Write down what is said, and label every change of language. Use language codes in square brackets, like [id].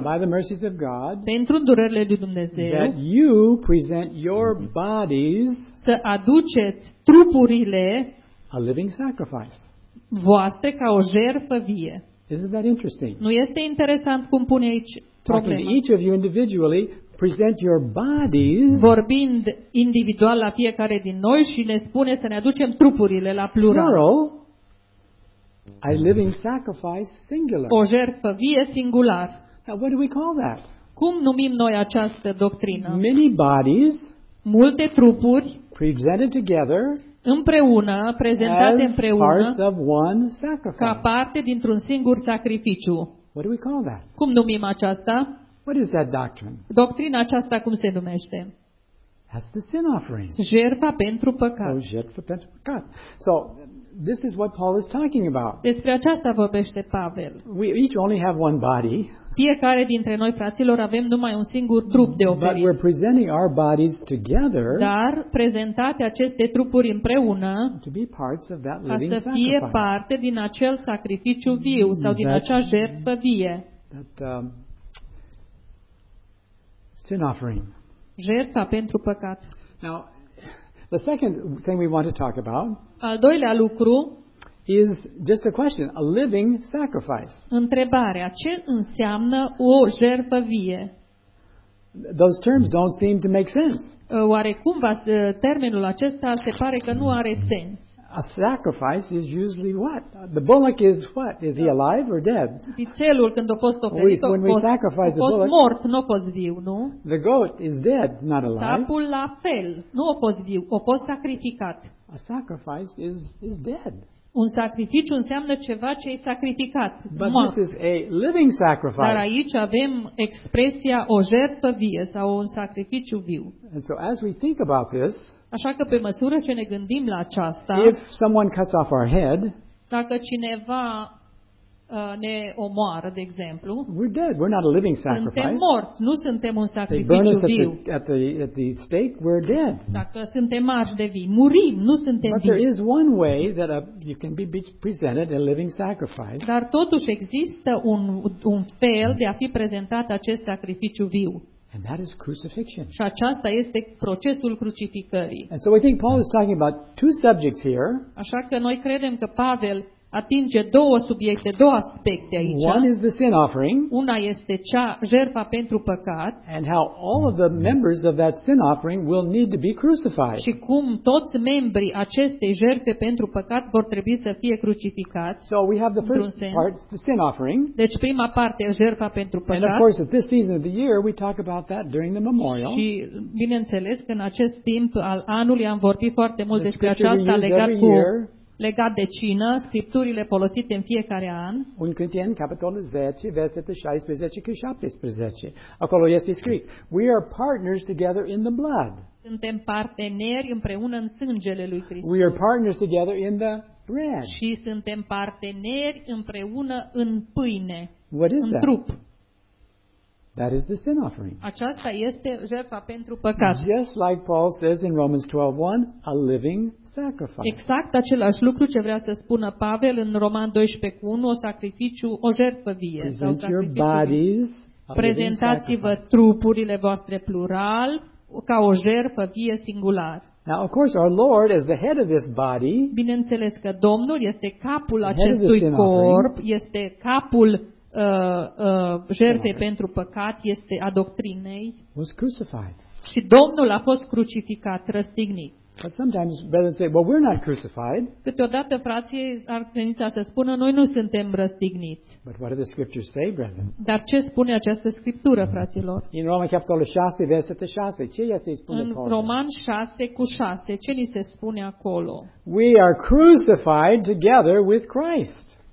[en] by the mercies of God, [ro] pentru îndurările lui Dumnezeu, [en] that you present your bodies, [ro] să aduceți trupurile, [en] a living sacrifice, [ro] voastre ca o jertfă vie. [en] Isn't that interesting? [ro] Nu este interesant cum pune aici problema? [en] Talking to each of you individually, present your bodies, [ro] vorbind individual la fiecare din noi și ne spune să ne aducem trupurile la plural. [en] A living sacrifice singular. [ro] O jertfă vie singular. [en] Now, what do we call that? [ro] Cum numim noi această doctrină? [en] Many bodies, [ro] multe trupuri, [en] presented together, [ro] împreună, prezentate împreună, [en] parts of one sacrifice. [ro] Ca parte dintr-un singur sacrificiu. [en] What do we call that? [ro] Cum numim aceasta? [en] What is that doctrine? [ro] Doctrina aceasta cum se numește? [en] That's the sin offering. [ro] Jertfa pentru păcat. O jertfă pentru păcat. [en] So, this is what Paul is talking about. [ro] Despre aceasta vorbește Pavel. [en] We each only have one body. [ro] Fiecare dintre noi, fraților, avem numai un singur trup de oferit. [en] But we're presenting our bodies together. [ro] Dar prezentate aceste trupuri împreună. [en] To be parts of that living sacrifice. [ro] Ca să fie parte din acel sacrificiu viu sau din acea jertfă vie. [en] That, sin offering. [ro] Jertfa pentru păcat. [en] Now, the second thing we want to talk about. [ro] Al doilea lucru. [en] Is just a question, a living sacrifice. [ro] Întrebarea, ce înseamnă o jertfă vie? [en] Those terms don't seem to make sense. [ro] Oarecum termenul acesta se pare că nu are sens. [en] A sacrifice is usually what? The bullock is what? Is he alive or dead? [ro] Vițelul când a fost oferit, [en] when we sacrifice a bullock, [ro] mort, nu a fost viu, nu? [en] The goat is dead, not alive. [ro] Sapul la fel, nu a fost viu, a fost sacrificat. [en] A sacrifice is dead. [ro] Un sacrificiu înseamnă ceva ce e sacrificat. [en] But [ro] mort. [en] This is a living sacrifice. [ro] Dar aici avem expresia o jertfă vie sau un sacrificiu viu. [en] And so as we think about this, [ro] așa că pe măsură ce ne gândim la aceasta, [en] if someone cuts off our head, [ro] dacă cineva ne omoară, de exemplu, [en] we're dead. We're not a living sacrifice. [ro] Suntem morți, nu suntem un sacrificiu viu. [en] They burn us [ro] viu. [en] At the stake, we're dead. [ro] Dacă suntem arși de vii, murim, nu suntem [en] but [ro] vii. [en] There is one way that you can be presented a living sacrifice. [ro] Dar totuși există un fel de a fi prezentat acest sacrificiu viu. [en] And that is crucifixion. [ro] Și aceasta este procesul crucificării. [en] And so I think Paul is talking about two subjects here. [ro] Așa că noi credem că Pavel atinge două subiecte, două aspecte aici. [en] One is the sin offering. [ro] Una este cea jertfa pentru păcat. [en] And how all of the members of that sin offering will need to be crucified. [ro] Și cum toți membrii acestei jertfe pentru păcat vor trebui să fie crucificați. [en] So we have the first part, the sin offering. [ro] Deci prima parte, jertfa pentru păcat. [en] And of course, at this season of the year, we talk about that during the memorial. [ro] Și bineînțeles că în acest timp al anului am vorbit foarte mult despre aceasta legat cu legat de cină, scripturile folosite în fiecare an. În Cântien, capitolul 10, versetul 16 și 17. Acolo este scris: [en] we are partners together in the blood. [ro] Suntem parteneri împreună în sângele lui Hristos. [en] We are partners together in the bread. [ro] Și suntem parteneri împreună în pâine. [en] What is [ro] în [en] that? [ro] Trup. [en] That is the sin offering. [ro] Aceasta este jertfa pentru păcat. [en] Just like Paul says in Romans 12:1, a living sacrifice. [ro] Exact același lucru ce vrea să spună Pavel în Roman 12:1, o sacrificiu, o jertfă vie. [en] Present your bodies, [ro] prezentați-vă trupurile voastre plural ca o jertfă vie singular. [en] Now, of course, our Lord is the head of this body. [ro] Bineînțeles că Domnul este capul acestui corp, este capul jertfe pentru păcat, este a doctrinei. [en] Was crucified. [ro] Și Domnul a fost crucificat, răstignit. [en] But sometimes brothers say, well, we're not crucified. [ro] Câteodată frații ar tendința să spună, noi nu suntem răstigniți. [en] But what do the scriptures say, brethren? [ro] Dar ce spune această scriptură, fraților? [en] In Roman chapter 6, [ro] versetul 6, ce este spune în acolo? Roman 6:6, ce ni se spune acolo? [en] We are crucified together with Christ.